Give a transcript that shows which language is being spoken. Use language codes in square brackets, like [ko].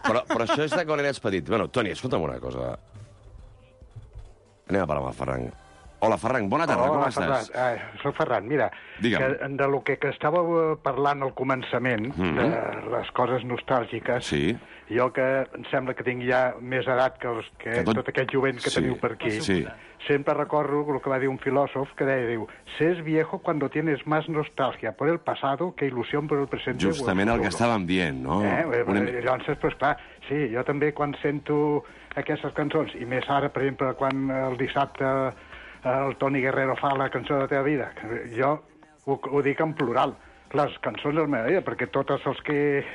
[ca] Però això és de quan eres petit. Bueno, Toni, escolta'm una cosa. Anem a parlar amb el Ferran. Hola, Ferran, bona tarda, hola, com hola, estàs? Ferran. Soc Ferran, mira, digue'm. Que de lo que estàveu parlant al començament, de les coses nostàlgiques, sí. Jo que em sembla que tinc ja més edat que els que tot aquest jovent que sí. teniu per aquí, sí. sempre recordo el que va dir un filòsof que deia, diu, [es] «Ses viejo cuando tienes más nostalgia por el pasado que ilusión por el presente». [ca] Justament el que estàvem dient, no? Llavors, pues, clar, sí, jo també quan sento aquestes cançons, i més ara, per exemple, quan el dissabte... El Toni Guerrero fa la cançó de la teva vida. Jo ho dic en plural. Les cançons de la meva vida, perquè totes els que...